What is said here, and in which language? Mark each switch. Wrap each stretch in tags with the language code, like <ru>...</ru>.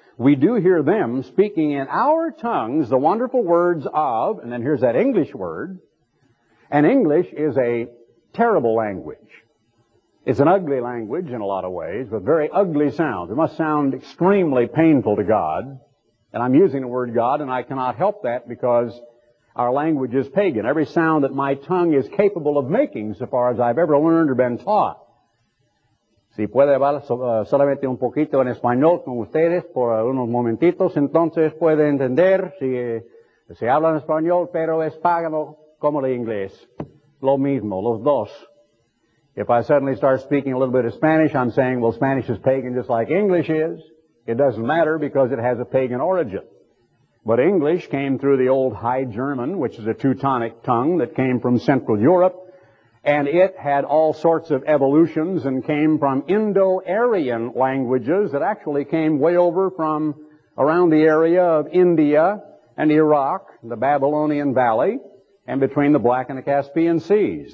<en>We do hear them speaking in our tongues the wonderful words of, and then here's that English word, and English is a terrible language. It's an ugly language in a lot of ways, with very ugly sounds. It must sound extremely painful to God, and I'm using the word God, and I cannot help that because our language is pagan. Every sound that my tongue is capable of making, so far as I've ever learned or been taught,</en> <es>si puede hablar solamente un poquito en español con ustedes por unos momentitos, entonces puede entender si se habla en español, pero es pagano como el inglés. Lo mismo, los dos.</es> <en>If I suddenly start speaking a little bit of Spanish, I'm saying, well, Spanish is pagan just like English is. It doesn't matter because it has a pagan origin. But English came through the old High German, which is a Teutonic tongue that came from Central Europe. And it had all sorts of evolutions and came from Indo-Aryan languages that actually came way over from around the area of India and Iraq, the Babylonian Valley, and between the Black and the Caspian Seas.</en>